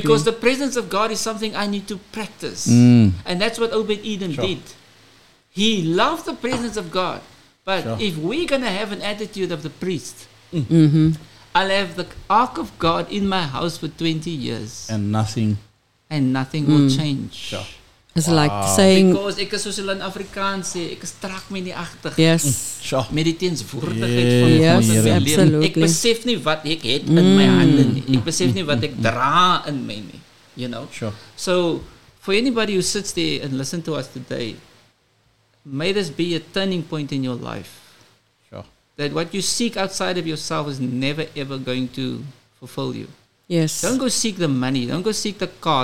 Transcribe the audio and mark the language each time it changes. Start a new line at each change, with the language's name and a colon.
English: Because the presence of God is something I need to practice. And that's what Obed-Edom did. He loved the presence of God. But if we're going to have an attitude of the priest, I'll have the ark of God in my house for 20 years. And nothing will change. Sure. It's like saying, because
Afrikaans: ek is soos hulle in Afrikaans sê, ek is traag met die agtig. Yes. Sure. Met die teenswoordigheid van
English: God. Absolutely.
Afrikaans: Ek besef nie wat ek het in my hande nie. Ek besef nie wat ek dra in my nie.
English: You know? Sure. So, for anybody who sits there and listen to us today, may this be a turning point in your life. Sure. That what you seek outside of yourself is never ever going to fulfill you. Yes. Don't go seek the money. Don't go seek the car.